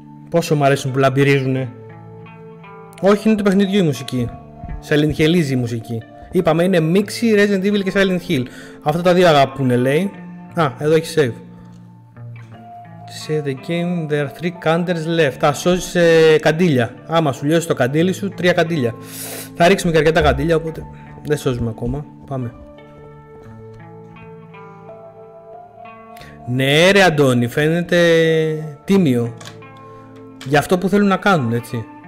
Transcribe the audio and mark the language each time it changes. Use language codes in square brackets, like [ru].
[el] Πόσο μου αρέσουν που λαμπυρίζουνε. Όχι, είναι του παιχνιδιού η μουσική. Silent Hill-ίζει η μουσική. Είπαμε είναι μίξη Resident Evil και Silent Hill. Αυτά τα δύο αγαπούνε λέει. Α, εδώ έχει save. [en] Save the game, there are three candles left. [el] Α, σώζεις καντήλια. Άμα σου λιώσει το καντήλι σου, τρία καντήλια. Θα ρίξουμε και αρκετά καντήλια, οπότε δεν σώζουμε ακόμα. Πάμε. Ναι ρε Αντώνη, φαίνεται τίμιο. Για αυτό που θέλουν να κάνουν, έτσι.